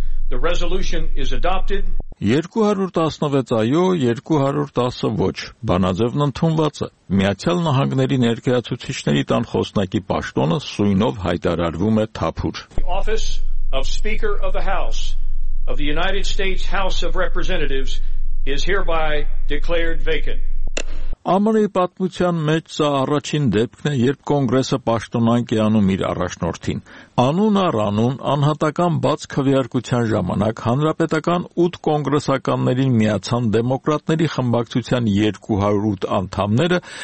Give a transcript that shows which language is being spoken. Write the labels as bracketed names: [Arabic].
[English] The resolution is adopted. [Armenian] 216 այո, 210 ոչ, բանաձևն ընդունված է։ Միացյալ Նահանգների ներկայացուցիչների տան խոսնակի պաշտոնը սույնով հայտարարվում է թափուր։ [English] The office of Speaker of the House of the United States House of Representatives is hereby declared vacant. [Armenian] ԱՄՆ-ի պատմության մեջ սա առաջին դեպքն է, երբ կոնգրեսը պաշտոնանք է անում իր առաջնորդին։ Անուն առ անուն, անհատական բաց քվեարկության ժամանակ հանրապետական 8 կոնգրեսականներին միացան դեմոկրատների խմբակցության 208 անդամները